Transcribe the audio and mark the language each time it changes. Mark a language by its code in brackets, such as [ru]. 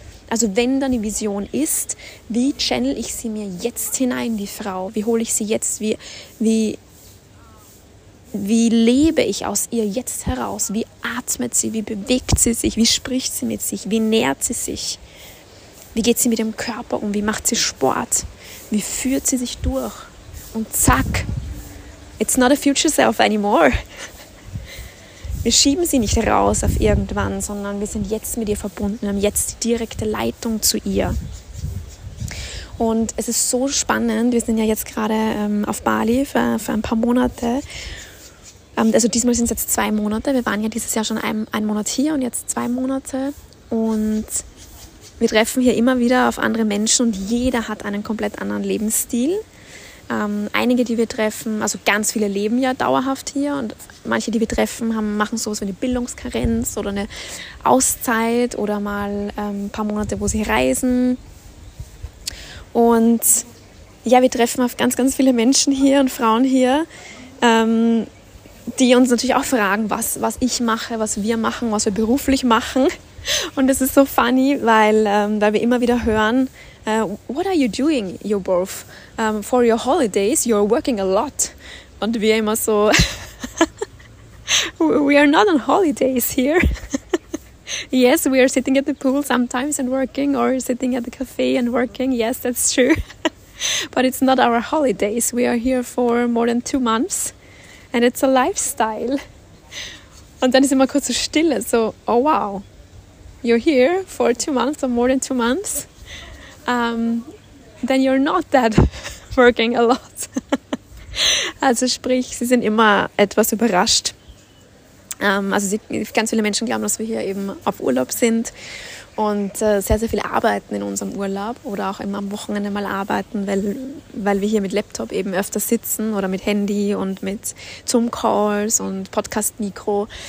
[de] Also wenn dann die Vision ist, wie channel ich sie mir jetzt hinein, die Frau? Wie hole ich sie jetzt? Wie lebe ich aus ihr jetzt heraus? Wie atmet sie? Wie bewegt sie sich? Wie spricht sie mit sich? Wie nährt sie sich? Wie geht sie mit ihrem Körper um? Wie macht sie Sport? Wie führt sie sich durch? Und zack, [en] it's not a future self anymore. [de] Wir schieben sie nicht raus auf irgendwann, sondern wir sind jetzt mit ihr verbunden. Wir haben jetzt die direkte Leitung zu ihr. Und es ist so spannend. Wir sind ja jetzt gerade auf Bali für ein paar Monate. Also diesmal sind es jetzt 2 Monate. Wir waren ja dieses Jahr schon einen Monat hier und jetzt 2 Monate. Und wir treffen hier immer wieder auf andere Menschen und jeder hat einen komplett anderen Lebensstil. Einige, die wir treffen, also ganz viele leben ja dauerhaft hier und manche, die wir treffen, machen sowas wie eine Bildungskarenz oder eine Auszeit oder mal ein paar Monate, wo sie reisen. Und ja, wir treffen auf ganz, ganz viele Menschen hier und Frauen hier, die uns natürlich auch fragen, was ich mache, was wir machen, was wir beruflich machen. Und es ist so funny, weil wir immer wieder hören, [en] what are you doing, you both? For your holidays, you're working a lot. [de] Und wir immer so, [en] we are not on holidays here. Yes, we are sitting at the pool sometimes and working, or sitting at the cafe and working. Yes, that's true. But it's not our holidays. We are here for more than 2 months. And it's a lifestyle. [de] Und dann ist immer kurz so Stille, so, oh wow. [en] You're here for 2 months or more than 2 months. Then you're not that working a lot. [de] Also sprich, sie sind immer etwas überrascht. Ganz viele Menschen glauben, dass wir hier eben auf Urlaub sind und sehr, sehr viel arbeiten in unserem Urlaub oder auch immer am Wochenende mal arbeiten, weil wir hier mit Laptop eben öfter sitzen oder mit Handy und mit Zoom-Calls und Podcast-Mikro.